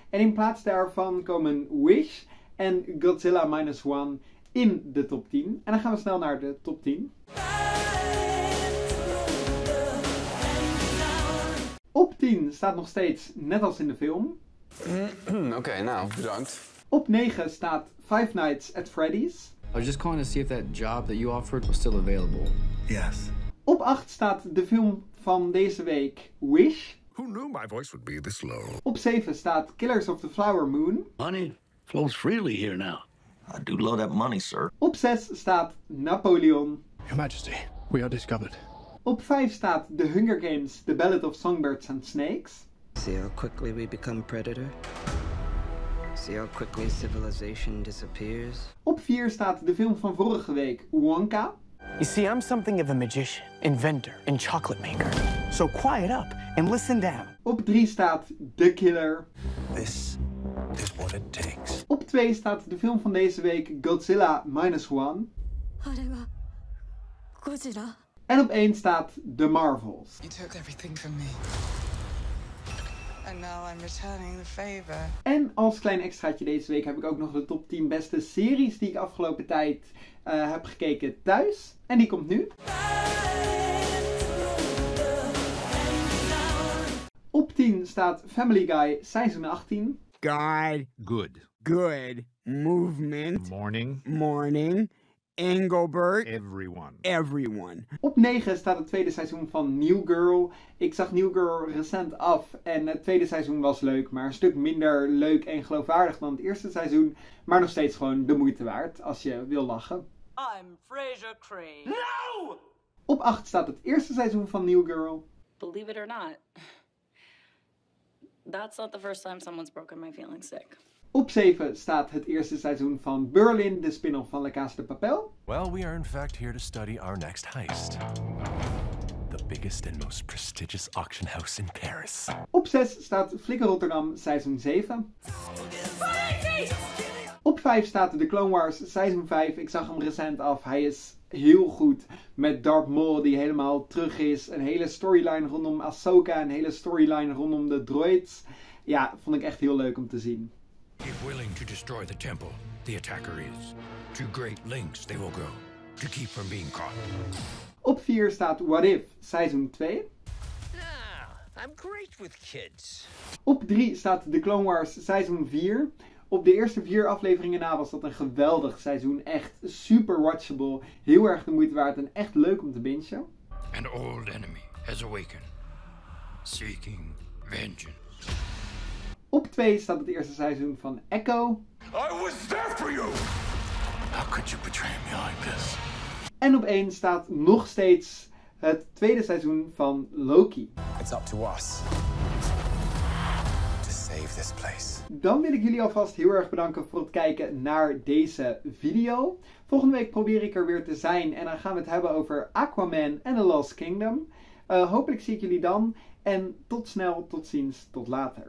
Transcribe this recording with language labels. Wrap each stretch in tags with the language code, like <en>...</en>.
<nl>En in plaats daarvan komen Wish en Godzilla Minus One in de top 10. En dan gaan we snel naar de top 10. Op 10 staat nog steeds, net als in de film. Oké, nou, bedankt. Op 9 staat Five Nights at Freddy's.</nl> <en>I was just calling to see if that job that you offered was still available. Yes.</en> <nl>Op 8 staat de film van deze week, Wish.</nl> <en>Who knew my voice would be this low?</en> <nl>Op 7 staat Killers of the Flower Moon.</nl> <en>Money flows freely here now. I do love that money, sir.</en> <nl>Op 6 staat Napoleon.</nl> <en>Your Majesty, we are discovered.</en> <nl>Op 5 staat The Hunger Games, The Ballad of Songbirds and Snakes.</nl> <en>See how quickly we become predator. See how quickly civilization disappears.</en> <nl>Op 4 staat de film van vorige week, Wonka.</nl> <en>You see, I'm something of a magician, inventor and chocolate maker. So quiet up and listen down.</en> <nl>Op 3 staat The Killer.</nl> <en>This is what it takes.</en> <nl>Op 2 staat de film van deze week, Godzilla Minus One.</nl> <ja>Arewa Godzilla.</ja> <nl>En op 1 staat The Marvels.</nl> <en>You took everything from me. And now I'm returning the favor.</en> <nl>En als klein extraatje deze week heb ik ook nog de top 10 beste series die ik afgelopen tijd heb gekeken thuis. En die komt nu. Op 10 staat Family Guy seizoen 18.</nl> <en>Guy. Good. Good. Movement. Morning. Morning. Engelbert. Everyone. Everyone.</en> <nl>Op 9 staat het tweede seizoen van New Girl. Ik zag New Girl recent af en het tweede seizoen was leuk, maar een stuk minder leuk en geloofwaardig dan het eerste seizoen. Maar nog steeds gewoon de moeite waard als je wil lachen.</nl> <en>I'm Fraser Crane. No!</en> <nl>Op 8 staat het eerste seizoen van New Girl.</nl> <en>Believe it or not, that's not the first time someone's broken my feelings sick.</en> <nl>Op 7 staat het eerste seizoen van Berlin, de spin-off van La Casa de Papel.</nl> <en>Well, we are in fact here to study our next heist. The biggest and most prestigious auction house in Paris.</en> <nl>Op 6 staat Flikker Rotterdam, seizoen 7. Op 5 staat The Clone Wars, seizoen 5. Ik zag hem recent af. Hij is heel goed met Darth Maul die helemaal terug is. Een hele storyline rondom Ahsoka, een hele storyline rondom de droids. Ja, vond ik echt heel leuk om te zien.</nl> <en>If willing to destroy the temple, the attacker is. To great lengths they will go, to keep from being caught.</en> <nl>Op 4 staat What If, seizoen 2.</nl> <en>Ah, I'm great with kids.</en> <nl>Op 3 staat The Clone Wars, seizoen 4. Op de eerste 4 afleveringen na was dat een geweldig seizoen. Echt super watchable. Heel erg de moeite waard en echt leuk om te bingen.</nl> <en>An old enemy has awakened, seeking vengeance.</en> <nl>Op 2 staat het eerste seizoen van Echo.</nl> <en>I was there for you! How could you betray me like this?</en> <nl>En op 1 staat nog steeds het tweede seizoen van Loki.</nl> <en>It's up to us to save this place.</en> <nl>Dan wil ik jullie alvast heel erg bedanken voor het kijken naar deze video. Volgende week probeer ik er weer te zijn en dan gaan we het hebben over Aquaman en The Lost Kingdom. Hopelijk zie ik jullie dan en tot snel, tot ziens, tot later.</nl>